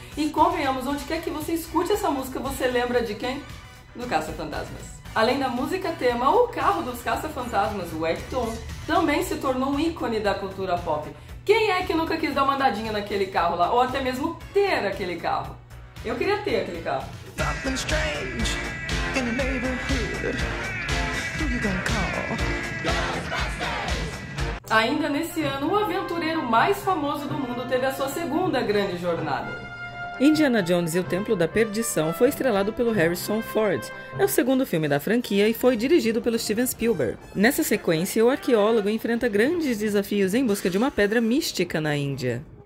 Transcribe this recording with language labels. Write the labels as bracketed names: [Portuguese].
[Portuguese] E convenhamos, onde quer que você escute essa música, você lembra de quem? Do Caça-Fantasmas. Além da música tema, o carro dos Caça-Fantasmas, o Ecton, também se tornou um ícone da cultura pop. Quem é que nunca quis dar uma andadinha naquele carro lá? Ou até mesmo ter aquele carro? Eu queria ter aquele carro. [English] Something strange in the neighborhood. Who you gonna call? [Portuguese] Ainda nesse ano, o aventureiro mais famoso do mundo teve a sua segunda grande jornada. Indiana Jones e o Templo da Perdição foi estrelado pelo Harrison Ford. É o segundo filme da franquia e foi dirigido pelo Steven Spielberg. Nessa sequência, o arqueólogo enfrenta grandes desafios em busca de uma pedra mística na Índia.